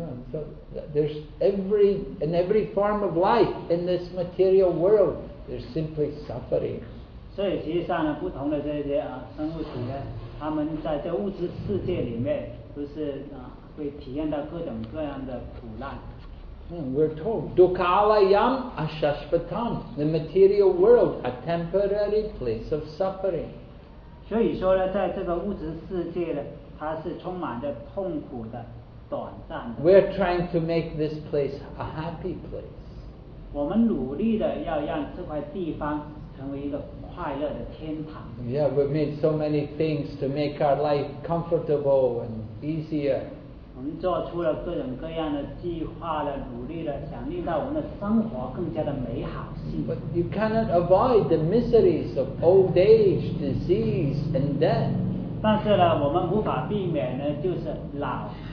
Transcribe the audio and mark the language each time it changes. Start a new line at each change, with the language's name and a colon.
English: So there's every in every form of life in this material world, there's simply suffering.
Chinese: 所以实际上呢，不同的这些啊生物体呢，他们在这物质世界里面，都是啊会体验到各种各样的苦难。
English: We're told, Dukkhalayam Ashashvatam, the material world, a temporary place of suffering.
Chinese: 所以说呢，在这个物质世界呢，它是充满着痛苦的。
English: We're trying to make this place a happy place.
Chinese: 我们努力的要让这块地方成为一个快乐的天堂。
English: Yeah, we made so many things to make our life comfortable and easier.
Chinese: 我们做出了各种各样的计划了，努力了，想令到我们的生活更加的美好性。
English: But you cannot avoid the miseries of old age, disease, and death.
Chinese: 但是呢，我们无法避免呢，就是老。